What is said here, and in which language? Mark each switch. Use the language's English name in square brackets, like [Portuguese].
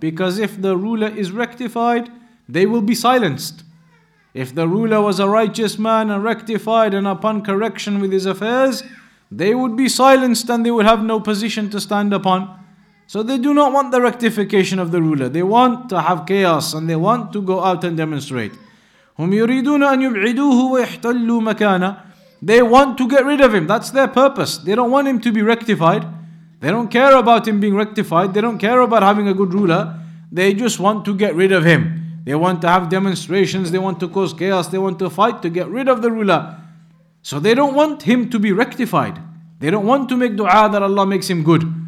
[English] Because if the ruler is rectified, they will be silenced. If the ruler was a righteous man and rectified and upon correction with his affairs, they would be silenced and they would have no position to stand upon. So they do not want the rectification of the ruler. They want to have chaos and they want to go out and demonstrate. [Arabic] هم يريدون أن يبعدوه ويحتلوا مكانه. [English] They want to get rid of him. That's their purpose. They don't want him to be rectified. They don't care about him being rectified. They don't care about having a good ruler. They just want to get rid of him. They want to have demonstrations. They want to cause chaos. They want to fight to get rid of the ruler. So they don't want him to be rectified. They don't want to make dua that Allah makes him good.